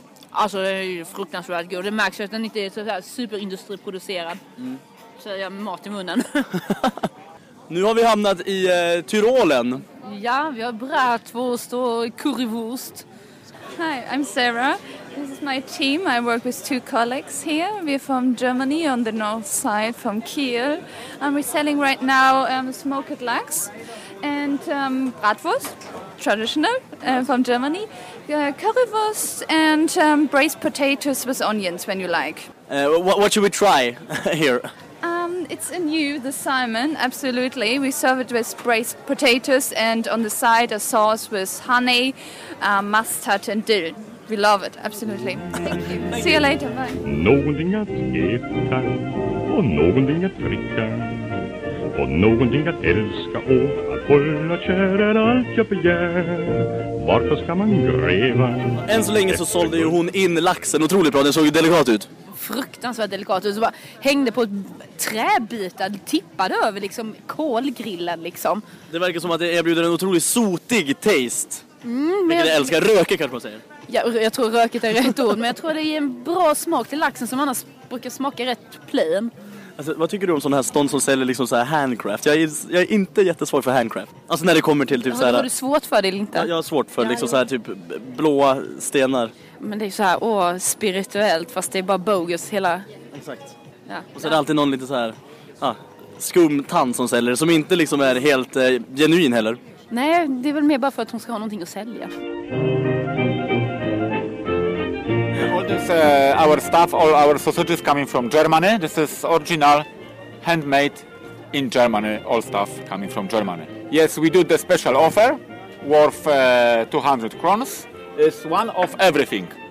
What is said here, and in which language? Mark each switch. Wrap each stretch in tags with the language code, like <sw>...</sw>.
<sv>Alltså det är ju fruktansvärt god. Det märks att den inte är så här superindustriproducerad. Mm. Så jag har mat i munnen. Nu har vi hamnat i Tyrolen. Ja, vi har bratwurst och currywurst.</sv> <en>Hi, I'm Sarah. This is my team. I work with two colleagues here. We're from Germany on the north side, from Kiel. And we're selling right now smoked lax and bratwurst. Traditional from Germany, currywurst and braised potatoes with onions when you like. What should we try here? It's a new, the salmon, absolutely. We serve it with braised potatoes and on the side a sauce with honey, mustard and dill. We love it, absolutely. Thank you. See you later, bye.</en> <sv>Någonting att äta och någonting att dricka och någonting att älska och hålla kär är allt jag begär. Varför ska man gräva? Än så länge så sålde ju hon in laxen otroligt bra. Den såg ju delikat ut. Fruktansvärt delikat ut. Så bara hängde på ett träbit och tippade över liksom kolgrillen liksom. Det verkar som att det erbjuder en otroligt sotig taste. Men jag älskar röket kanske man säger. Ja, jag tror röket är rätt ord. Men jag tror det ger en bra smak till laxen som annars brukar smaka rätt plain. Alltså, vad tycker du om sådana här stånd som säljer liksom så här handcraft? Jag är inte jättesvår för handcraft. Alltså när det kommer till typ har du svårt för det eller inte? Jag har svårt för liksom så här typ blåa stenar. Men det är så här spirituellt fast det är bara bogus hela. Exakt. Ja. Och så är det alltid någon lite så här skumtant som säljer som inte liksom är helt genuin heller. Nej, det är väl mer bara för att hon ska ha någonting att sälja.</sv> <en>Our staff, all our sausages coming from Germany. This is original, handmade in Germany. All staff coming from Germany. Yes, we do the special offer worth 200 kronos. It's one of everything.</en>